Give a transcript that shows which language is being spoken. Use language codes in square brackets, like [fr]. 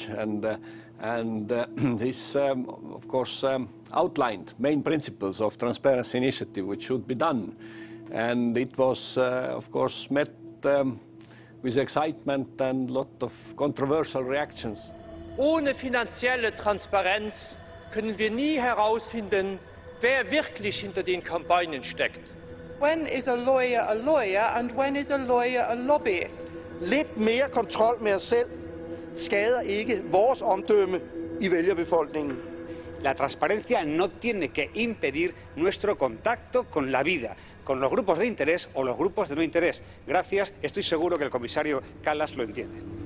[en] And this, of course, outlined main principles of transparency initiative, which should be done. And it was, met with excitement and a lot of controversial reactions. [de] Ohne finanzielle Transparenz können wir nie herausfinden, wer wirklich hinter den Kampagnen steckt. [en] When is a lawyer and when is a lobbyist? [da] Lidt mere kontrol med os selv skader ikke vores omdømme i vælgerbefolkningen. [es] La transparencia no tiene que impedir nuestro contacto con la vida, con los grupos de interés o los grupos de no interés. Gracias, estoy seguro que el comisario Callas lo entiende.